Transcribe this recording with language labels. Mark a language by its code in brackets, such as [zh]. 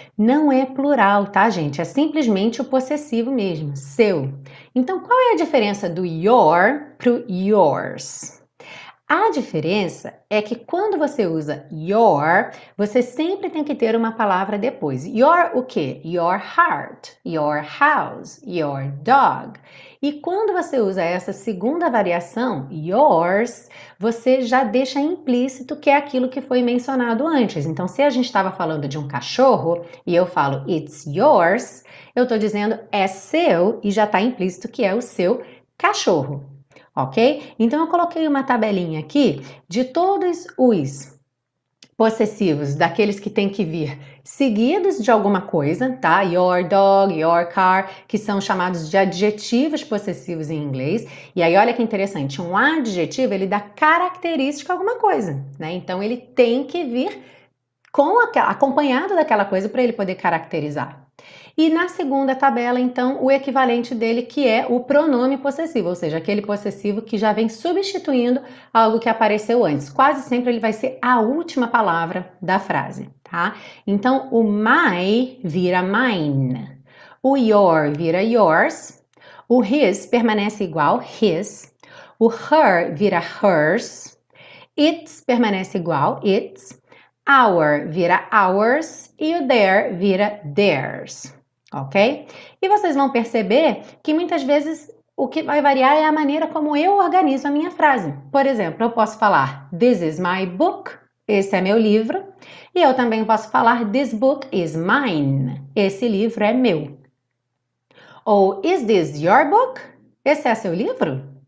[pt] Não é plural, tá, gente? É simplesmente o possessivo mesmo, seu. Então, qual é a diferença do your pro yours? A diferença é que quando você usa your, você sempre tem que ter uma palavra depois. Your o quê? [en] Your heart, your house, your dog. [pt] E quando você usa essa segunda variação, yours, você já deixa implícito que é aquilo que foi mencionado antes. Então, se a gente estava falando de um cachorro e eu falo [en] it's yours, [pt] eu estou dizendo é seu e já está implícito que é o seu cachorro. Ok? Então eu coloquei uma tabelinha aqui de todos os possessivos daqueles que têm que vir seguidos de alguma coisa, tá? [en] Your dog, your car, [pt] que são chamados de adjetivos possessivos em inglês. E aí olha que interessante, um adjetivo ele dá característica a alguma coisa, né? Então ele tem que vir acompanhado daquela coisa para ele poder caracterizar. E na segunda tabela, então, o equivalente dele, que é o pronome possessivo, ou seja, aquele possessivo que já vem substituindo algo que apareceu antes. Quase sempre ele vai ser a última palavra da frase, tá? Então, o my vira mine, o your vira yours, o his permanece igual, his, o her vira hers, its permanece igual, its, our vira ours e o their vira theirs. Ok? E vocês vão perceber que muitas vezes o que vai variar é a maneira como eu organizo a minha frase. Por exemplo, eu posso falar [en] This is my book. [pt] Esse é meu livro. E eu também posso falar [en] This book is mine. [pt] Esse livro é meu. Ou [en] Is this your book? [pt] Esse é seu livro?